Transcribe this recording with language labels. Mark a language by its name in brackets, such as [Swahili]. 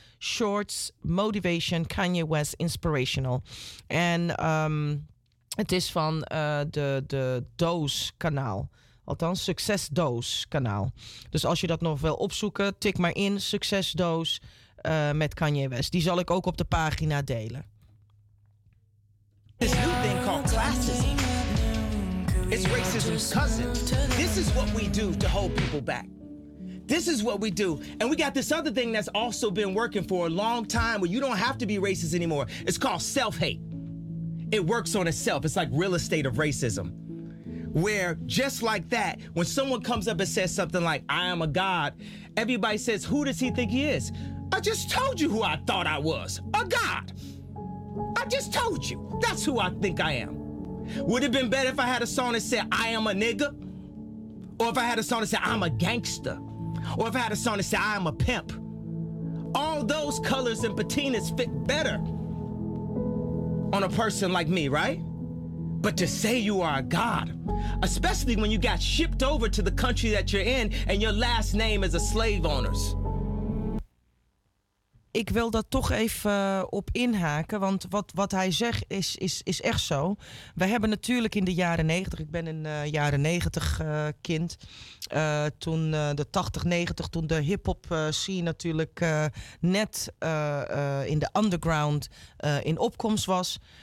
[English] Shorts, Motivation, Kanye West Inspirational. [Dutch] En het is van de Doos kanaal. Althans, succesdoos kanaal. Dus als je dat nog wil opzoeken, tik maar in succesdoos met Kanye West. Die zal ik ook op de pagina delen. [English] This new thing called classism. It's racism's cousin. This is what we do to hold people back. This is what we do. And we got this other thing that's also been working for a long time where you don't have to be racist anymore. It's called self-hate. It works on itself. It's like real estate of racism. Where just like that, when someone comes up and says something like, I am a God, everybody says, who does he think he is? I just told you who I thought I was, a God. I just told you, that's who I think I am. Would it have been better if I had a song that said, I am a nigga? Or if I had a song that said, I'm a gangster? Or if I had a song that said, I am a pimp? All those colors and patinas fit better on a person like me, right? But to say you are a God, especially when you got shipped over to the country that you're in and your last name is a slave owner's. [Dutch] Ik wil dat toch even op inhaken, want wat hij zegt is echt zo. We hebben natuurlijk in de jaren 90, ik ben een jaren 90 kind, toen de 80-90, toen de hip-hop scene natuurlijk net in de underground in opkomst was.